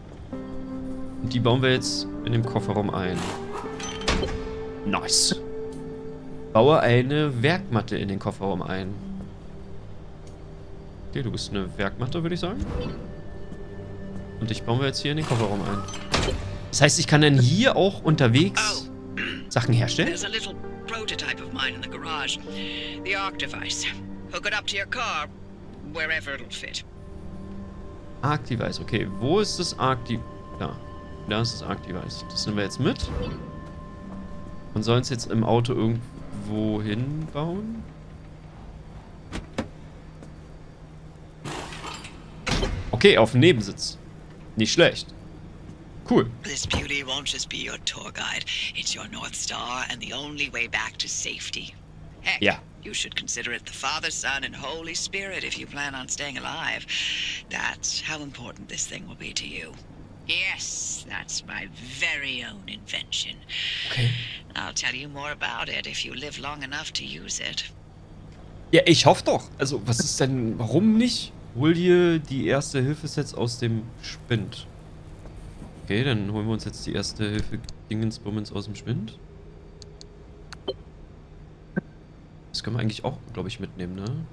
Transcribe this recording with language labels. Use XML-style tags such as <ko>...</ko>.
<de>Und die bauen wir jetzt in dem Kofferraum ein. Nice. Baue eine Werkmatte in den Kofferraum ein. Okay, du bist eine Werkmatte, würde ich sagen. Und dich bauen wir jetzt hier in den Kofferraum ein. Das heißt, ich kann dann hier auch unterwegs Sachen herstellen?</de> <en>There's a little prototype of mine in the garage. The Arc device. Hook it up to your car, wherever it'll fit.</en> <de>Arc device, okay. Wo ist das Arc device? Da. Da ist das Arc device. Das nehmen wir jetzt mit. Und sollen es jetzt im Auto irgendwo hinbauen? Okay, auf dem Nebensitz. Nicht schlecht. Cool.</de> <en>This beauty won't just be your tour guide. It's your North Star and the only way back to safety. Heck, yeah. You should consider it the Father, Son and Holy Spirit if you plan on staying alive. That's how important this thing will be to you. Yes, that's my very own invention. Okay. I'll tell you more about it if you live long enough to use it.</en> <de>Ja, ich hoffe doch. Also, was ist denn, warum nicht? Hol dir die erste Hilfesets aus dem Spind. Okay, dann holen wir uns jetzt die erste Hilfe-Dingensbummens aus dem Spind. Das können wir eigentlich auch, glaube ich, mitnehmen, ne?</de>